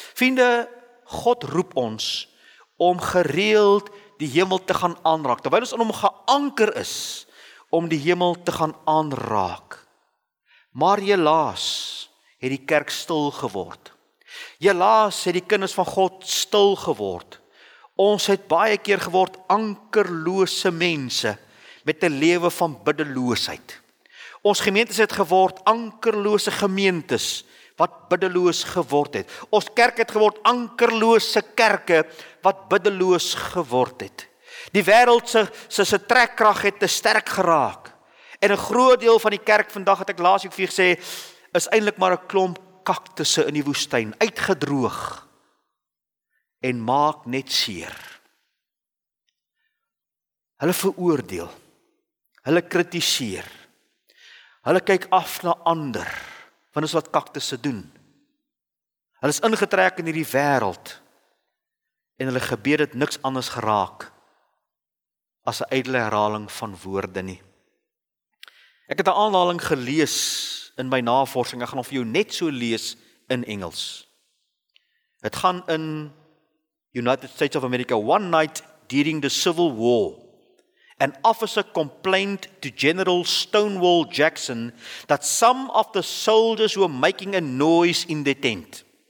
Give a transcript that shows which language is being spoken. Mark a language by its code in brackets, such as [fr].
[af] Vriende, God roep ons om gereeld die hemel te gaan aanraak, terwyl ons in hom geanker is, om die hemel te gaan aanraak. Maar helaas het die kerk stil geword. Helaas het die kinders van God stil geword. Ons het baie keer geword ankerlose mense, met 'n lewe van biddeloosheid. Ons gemeentes het geword ankerlose gemeentes, wat biddeloos geword het. Ons kerk het geword ankerlose kerke, wat biddeloos geword het. Die wêreld se trekkrag het te sterk geraak. En 'n groot deel van die kerk vandag, het ek laas ook vir jy gesê, is eintlik maar 'n klomp kaktusse in die woestyn, uitgedroog, en maak net seer. Hulle veroordeel, hulle kritiseer, hulle kyk af na ander, want is wat kaktusse doen. Hulle is ingetrek in hierdie wêreld, en hulle gebed het niks anders geraak as 'n ydele herhaling van woorde nie. Ek het 'n aanhaling gelees in my navorsing, ek gaan vir jou net so lees in Engels. Het gaan in [en] United States of America, one night during the Civil War, an officer complained to General Stonewall Jackson that some of the soldiers were making a noise in their tent.